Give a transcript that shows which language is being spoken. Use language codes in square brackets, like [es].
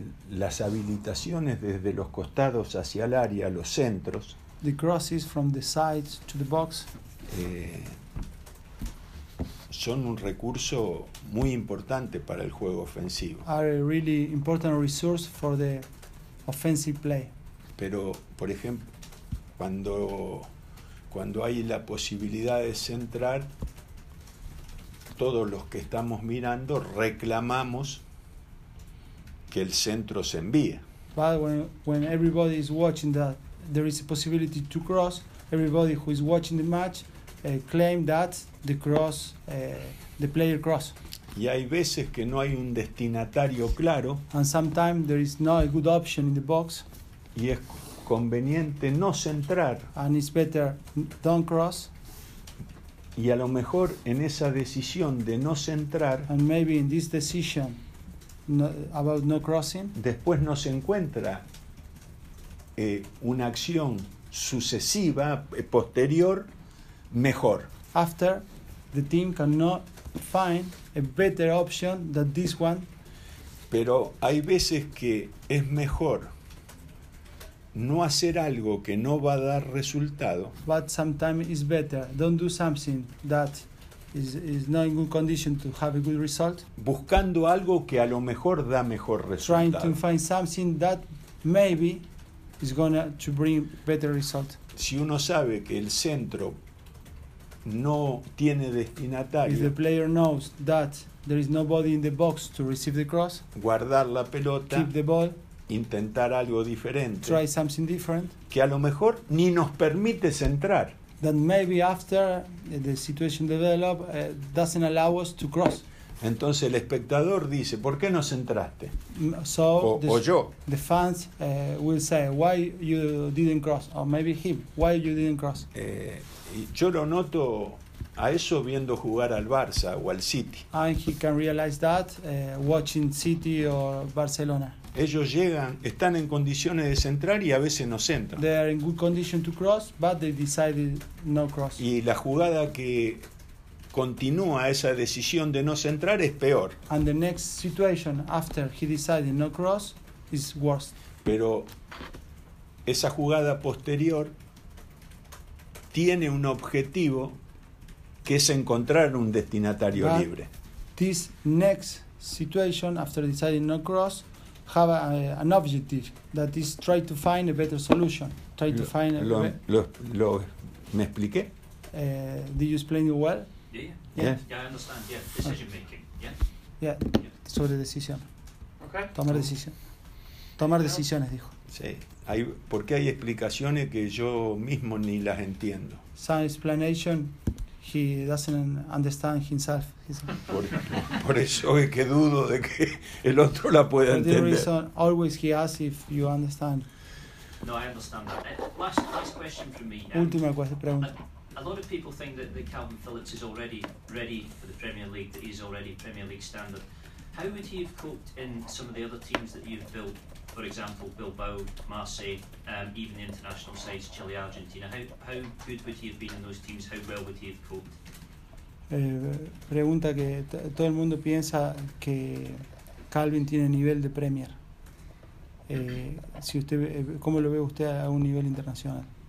[es] las habilitaciones desde los costados hacia el área, los centros. [en] The crosses from the sides to the box. [es] Son un recurso muy importante para el juego ofensivo. [en] Are a really important resource for the offensive play. [es] Pero, por ejemplo, cuando hay la posibilidad de centrar. Todos los que estamos mirando reclamamos que el centro se envíe. [en] But when everybody is watching that there is a possibility to cross, everybody who is watching the match claim that the cross, the player cross. [es] Y hay veces que no hay un destinatario claro. [en] And sometimes there is not a good option in the box. [es] Y es conveniente no centrar. [en] And it's better don't cross. [es] Y a lo mejor en esa decisión de no centrar, [en] and maybe in this decision about no crossing, [es] después no se encuentra una acción sucesiva posterior mejor. [en] After the team cannot find a better option than this one. [es] Pero hay veces que es mejor no hacer algo que no va a dar resultado. [en] But sometimes it's better don't do something that is not in good condition to have a good result. [es] Buscando algo que a lo mejor da mejor resultado. [en] Trying to find something that maybe is gonna to bring better result. [es] Si uno sabe que el centro no tiene destinatario. [en] If the player knows that there is nobody in the box to receive the cross. [es] Guardar la pelota. [en] Keep the ball. [es] Intentar algo diferente. [en] Try something different. [es] Que a lo mejor ni nos permite centrar. [en] That maybe after the situation developed doesn't allow us to cross. [es] Entonces el espectador dice, ¿por qué no centraste? [en] So [es] o yo. [en] The fans will say, why you didn't cross? Or maybe him, why you didn't cross? [es] Yo lo noto a eso viendo jugar al Barça o al City. [en] And he can realize that watching City or Barcelona. [es] Ellos llegan, están en condiciones de centrar y a veces no centran. [en] They are in good condition to cross, but they decided no cross. [es] Y la jugada que continúa esa decisión de no centrar es peor. [en] And the next situation after he decided no cross is worse. [es] Pero esa jugada posterior tiene un objetivo que es encontrar un destinatario [en] but [es] libre. [en] This next situation after deciding no cross have an objective that is try to find a better solution. Try to find a [es] ¿Me expliqué? [en] Did you explain it well? Yeah, I understand. Yeah, decision making. Yeah. [es] Sobre decisión. [en] Okay. [es] Tomar decisión. Tomar decisiones, dijo. Sí. Hay, porque hay explicaciones que yo mismo ni las entiendo. [en] Some explanation he doesn't understand himself. [es] Por eso es que dudo de que el otro la pueda entender. [en] The reason always he asks if you understand. No, I understand that. Last question for me. [es] Última pregunta. [en] A lot of people think that Calvin Phillips is already ready for the Premier League, that he's already Premier League standard. How would he have coped in some of the other teams that you've built, for example, Bilbao, Marseille, even the international sides, Chile, Argentina? How good would he have been in those teams? How well would he have coped? [es] Pregunta que todo el mundo piensa que Calvin tiene nivel de Premier. Si usted, ¿cómo lo ve usted a un nivel internacional?